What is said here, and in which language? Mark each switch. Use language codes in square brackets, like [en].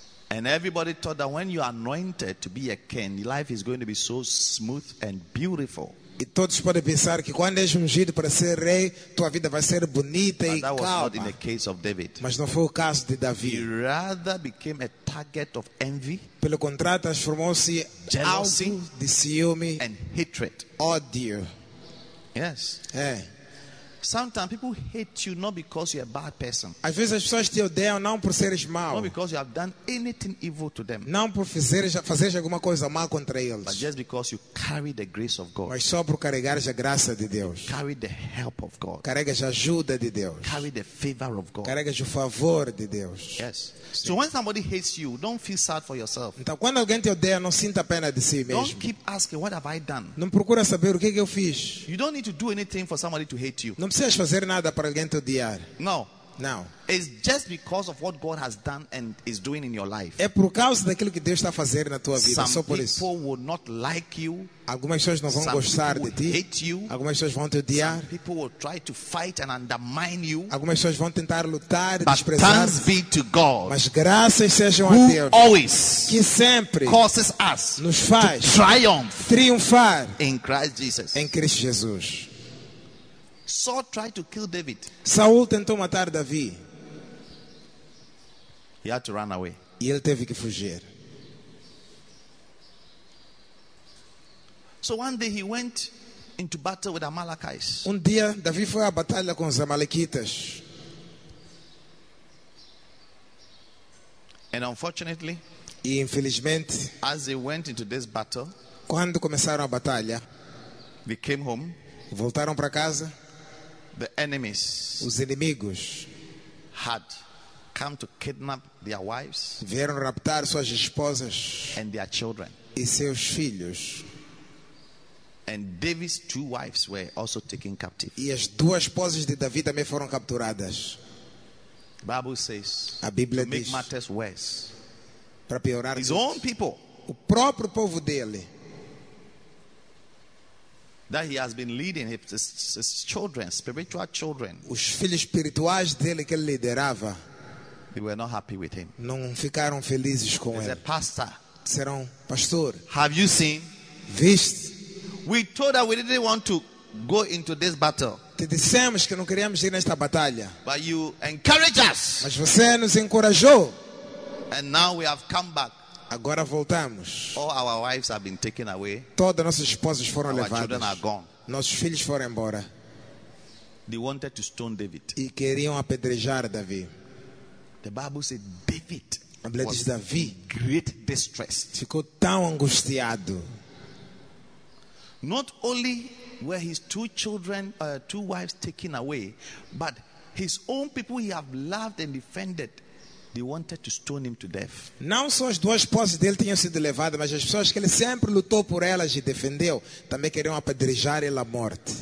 [en] And everybody thought that when you are anointed to be a king, life is going to be so smooth and beautiful. [pt] E todos podem pensar que quando és ungido para ser rei, tua vida vai ser bonita [en] But [pt] e calma. [en] But that was not in the case of David. [pt] Mas não foi o caso de Davi. [en] He rather became a target of envy. [pt] Pelo contrário, transformou-se [en] jealousy, [pt] alvo de ciúme [en] and hatred. [pt] Ódio. [en] Yes. [pt] É. [en] Sometimes people hate you not because you're a bad person. [pt] Às vezes as pessoas te odeiam não por seres mau. [en] Not because you have done anything evil to them. [pt] Não por fazeres alguma coisa má contra eles. [en] But just because you carry the grace of God. [pt] Mas só por carregar a graça de Deus. [en] You carry the help of God. [pt] Carregas a ajuda de Deus. [en] Carry the favor of God. [pt] Carregas o favor de Deus. [en] Yes. Sim. So when somebody hates you, don't feel sad for yourself. [pt] Então quando alguém te odeia, não sinta pena de si mesmo. [en] Don't keep asking what have I done. [pt] Não procura saber o que eu fiz. [en] You don't need to do anything for somebody to hate you. [pt] Não precisas fazer nada para alguém te odiar. [en] No. No. It's just because of what God has done and is doing in your life. [pt] É por causa daquilo que Deus está fazendo na tua vida. [en] Some [pt] só por isso. [en] Some people will not like you. [pt] Algumas pessoas não vão [en] Some [pt] gostar [en] people [pt] de ti. [en] Hate you. [pt] Algumas pessoas vão te odiar. [en] Some people will try to fight and undermine you. [pt] Algumas pessoas vão tentar lutar e desprezar. [en] Thanks be to God. [pt] Mas graças sejam [en] who [pt] a Deus. [en] Always [pt] que sempre [en] causes us [pt] nos faz [en] to triumph [pt] triunfar [en] in Christ Jesus. [pt] Em Cristo Jesus. [en] Saul tried to kill David. [pt] Saul tentou matar Davi. [en] He had to run away. [pt] E ele teve que fugir. [en] So one day he went into battle with Amalekites. [pt] Um dia Davi foi à batalha com os Amalequitas. [en] And unfortunately, [pt] e infelizmente, [en] as they went into this battle, [pt] quando começaram a batalha, [en] they came home, [pt] voltaram para casa. [en] The enemies [pt] os inimigos [en] had come to kidnap their wives [pt] vieram raptar suas esposas [en] and their children [pt] e seus filhos [en] and David's two wives were also taken captive [pt] e as duas esposas de Davi também foram capturadas. [en] Bible says [pt] a Bíblia diz [en] make matters worse [pt] para piorar [en] his own people [pt] o próprio povo dele [en] that he has been leading his children, spiritual children. [pt] Os filhos espirituais dele que ele liderava. [en] They were not happy with him. [pt] Não ficaram felizes com [en] As [pt] ele. [en] As a pastor. [pt] Serão pastor. [en] Have you seen? [pt] Viste? [en] We told that we didn't want to go into this battle. [pt] Te dissemos que não queríamos ir nesta batalha. [en] But you encouraged us. [pt] Mas você nos encorajou. [en] And now we have come back. [pt] Agora voltamos. [en] All our wives have been taken away. [pt] Todas nossas esposas foram [en] our [pt] levadas. [en] Children are gone. [pt] Nossos filhos foram embora. [en] They wanted to stone David. [pt] E queriam apedrejar Davi. [en] The Bible said David. [pt] A Bíblia diz Davi. [en] Great distressed. [pt] Ficou tão angustiado. [en] Not only were his two children, two wives taken away, but his own people he have loved and defended. They wanted to stone him to death. [pt] Não só as duas esposas dele tinham sido levadas, mas as pessoas que ele sempre lutou por elas e defendeu também queriam apedrejar ele à morte.